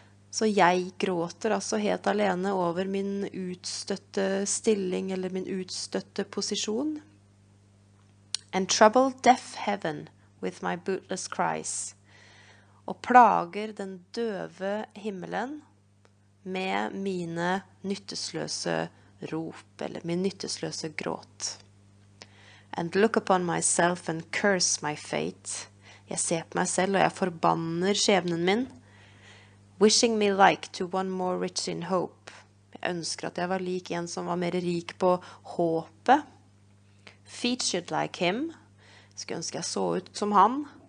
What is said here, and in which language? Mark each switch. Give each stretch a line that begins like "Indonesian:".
Norwegian: Så jeg gråter altså helt alene over min utstøtte stilling eller min utstøtte posisjon.
English: And trouble deaf heaven with my bootless cries.
Norwegian: Og plager den døve himmelen med mine nyttesløse rop eller min nyttesløse gråt.
English: And look upon myself and curse my fate.
Norwegian: Jeg ser på meg selv og jeg forbanner skjebnen min.
English: Wishing me like to one more rich in hope.
Norwegian: Jeg ønsker at jeg var lik en som var mer rik på håpet.
English: Featured like him.
Norwegian: Jeg skulle ønske jeg så ut som han.